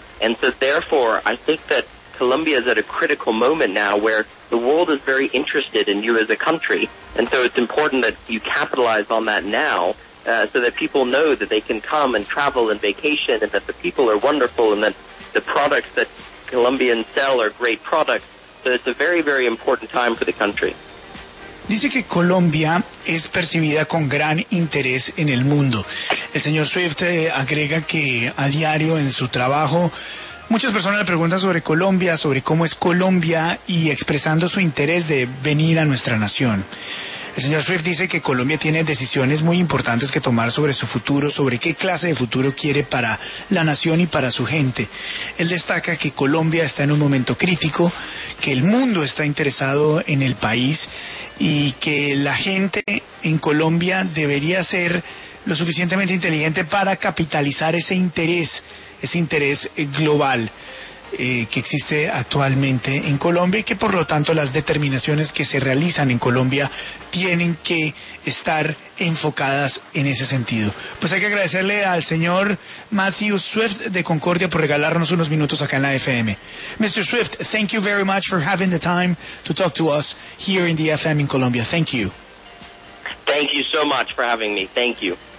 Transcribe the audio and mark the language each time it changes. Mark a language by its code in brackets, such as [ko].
[en] And so therefore, I think that Colombia is at a critical moment now where the world is very interested in you as a country. And so it's important that you capitalize on that now so that people know that they can come and travel and vacation and that the people are wonderful and that the products that Colombians sell are great products. So it's a very, very important time for the country. [es] Dice que Colombia es percibida con gran interés en el mundo. El señor Swift agrega que a diario en su trabajo muchas personas le preguntan sobre Colombia, sobre cómo es Colombia y expresando su interés de venir a nuestra nación. El señor Swift dice que Colombia tiene decisiones muy importantes que tomar sobre su futuro, sobre qué clase de futuro quiere para la nación y para su gente. Él destaca que Colombia está en un momento crítico, que el mundo está interesado en el país y que la gente en Colombia debería ser lo suficientemente inteligente para capitalizar ese interés global que existe actualmente en Colombia y que por lo tanto las determinaciones que se realizan en Colombia tienen que estar enfocadas en ese sentido. Pues hay que agradecerle al señor Matthew Swift de Concordia por regalarnos unos minutos acá en la FM. [en] Mr. Swift, thank you very much for having the time to talk to us here in the FM in Colombia. Thank you. Thank you so much for having me. Thank you.